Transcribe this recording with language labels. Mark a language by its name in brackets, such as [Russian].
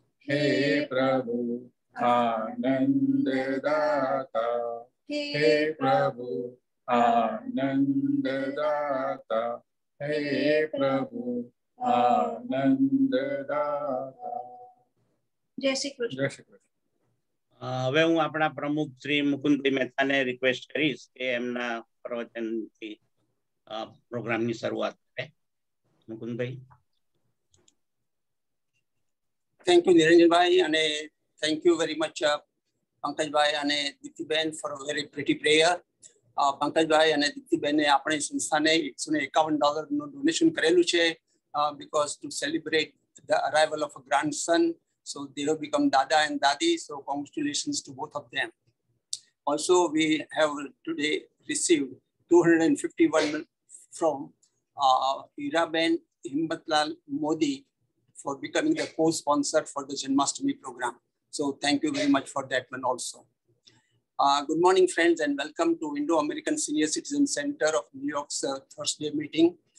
[Hindi] हे प्रभु आनंद दाता, हे प्रभु आनंद दाता, हे प्रभु आनंद दाता। [Gujarati] जय श्री कृष्ण। हवे हुं आपणा प्रमुख श्री મુકુંદભાઈ મહેતાને રિક્વેસ્ટ કરીશ કે એમના પ્રવચનથી પ્રોગ્રામની શરૂઆત કરે। મુકુંદભાઈ, [English] Thank you Niranjanbhai અને thank you very much Pankajbhai અને Diptiben for a very pretty prayer. [Gujarati] Pankajbhai અને દીપ્તિબેને આપણે સંસ્થાને $151 નું ડોનેશન કરેલું છે [English] Because to celebrate the arrival of a grandson, so they have become dada and dadi, so congratulations to both of them. Also, we have today received 251 from Hirabhen Himmatlal Modi for becoming the co-sponsor for the Janmashtami program. So thank you very much for that one also. Good morning, friends, and welcome to Indo-American Senior Citizen Center of New York's Thursday meeting.